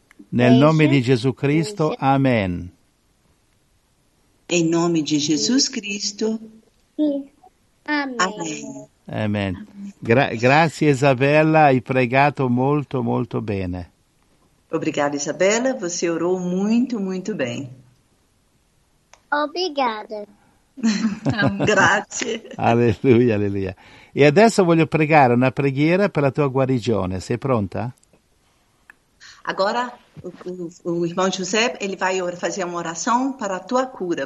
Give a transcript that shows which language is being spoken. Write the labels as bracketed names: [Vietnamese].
[Italian] Nel nome di Gesù Cristo, amen. [Portuguese] Em nome de Jesus Cristo. Amém. Amém. Amém. [Italian] Grazie Isabella, hai pregato molto, molto bene. [Portuguese] Obrigada, Isabella, você orou muito, muito bem. Obrigada. [Italian] Grazie. Alleluia, alleluia. E adesso voglio pregare una preghiera per la tua guarigione. Sei pronta? [Portuguese] Agora o irmão José, ele vai fazer uma oração para a tua cura.